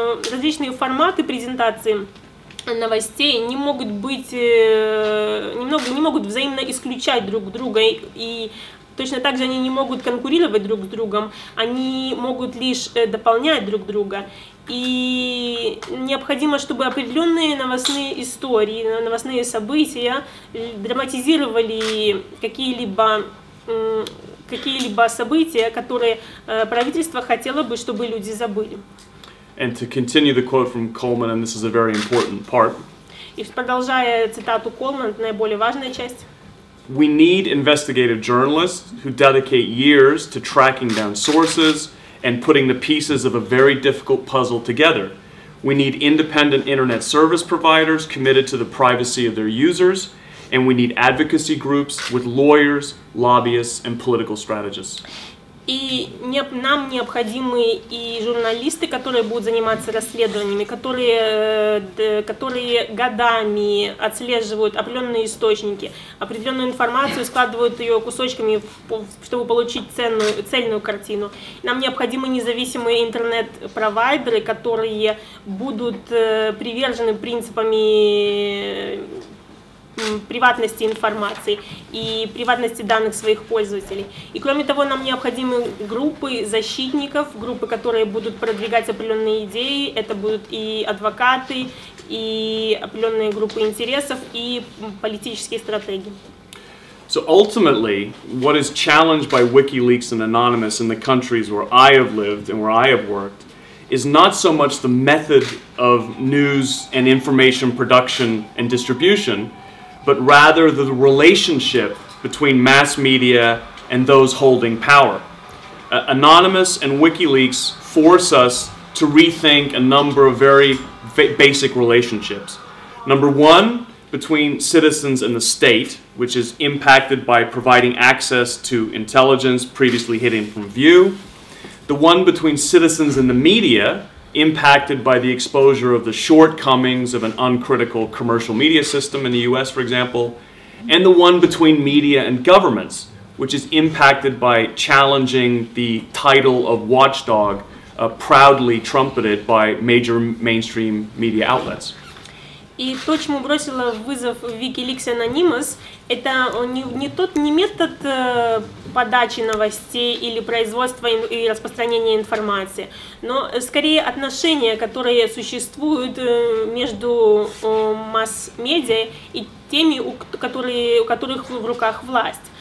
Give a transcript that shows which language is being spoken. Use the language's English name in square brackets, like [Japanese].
[Russian] Различные форматы презентации новостей не могут взаимно исключать друг друга, и точно так же они не могут конкурировать друг с другом, они могут лишь дополнять друг друга. И необходимо, чтобы определенные новостные истории, новостные события драматизировали какие-либо события, которые правительство хотело бы, чтобы люди забыли. [English] And to continue the quote from Coleman, and this is a very important part. [Russian] И продолжая цитату Колман, наиболее важная часть. [English] We need investigative journalists who dedicate years to tracking down sources and putting the pieces of a very difficult puzzle together. We need independent internet service providers committed to the privacy of their users, and we need advocacy groups with lawyers, lobbyists, and political strategists. [Russian] И нам необходимы и журналисты, которые будут заниматься расследованиями, которые годами отслеживают определенные источники, определенную информацию, складывают ее кусочками, чтобы получить цельную картину. Нам необходимы независимые интернет-провайдеры, которые будут привержены принципами приватности информации и приватности данных своих пользователей. И кроме того, нам необходимы группы защитников, группы, которые будут продвигать определенные идеи. Это будут и адвокаты, и определенные группы интересов, и политические стратеги. [English] So ultimately, what is challenged by WikiLeaks and Anonymous in the countries where I have lived and where I have worked is not so much the method of news and information production and distribution, but rather the relationship between mass media and those holding power. Anonymous and WikiLeaks force us to rethink a number of very basic relationships. Number one, between citizens and the state, which is impacted by providing access to intelligence previously hidden from view. The one between citizens and the media, impacted by the exposure of the shortcomings of an uncritical commercial media system in the US, for example, and the one between media and governments, which is impacted by challenging the title of watchdog, proudly trumpeted by major mainstream media outlets. [Russian] И то, чему бросила вызов WikiLeaks Anonymous, это не тот не метод подачи новостей или производства и распространения информации, но скорее отношения, которые существуют между масс-медиа и теми, у которых в руках власть.